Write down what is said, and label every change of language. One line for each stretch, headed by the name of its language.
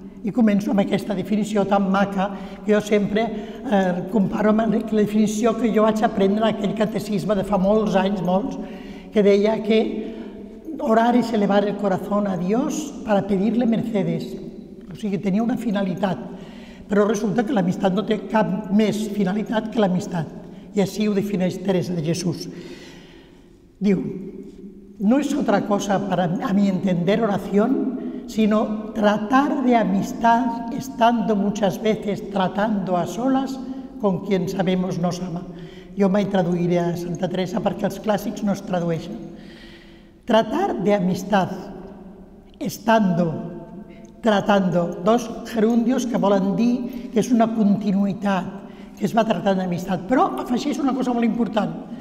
Catalan: I començo amb aquesta definició tan maca que jo sempre comparo amb la definició que jo vaig aprendre en aquell catecisme de fa molts anys, molts, que deia que orar és
Spanish: elevar el corazón a Dios para pedirle mercedes.
Catalan: O sigui, tenia una finalitat, però resulta que l'amistat no té cap més finalitat que l'amistat. I així ho defineix Teresa de Jesús.
Spanish: Diu, no es otra cosa para a mi entender oración, sino tratar de amistad estando muchas veces tratando a solas con quien sabemos nos ama.
Catalan: Jo mai traduiré a Santa Teresa perquè els clàssics no es tradueixen.
Spanish: Tratar de amistad estando, tratando,
Catalan: dos gerundios que volen dir que és una continuïtat, que es va tractant d'amistat, però afegeix una cosa molt important.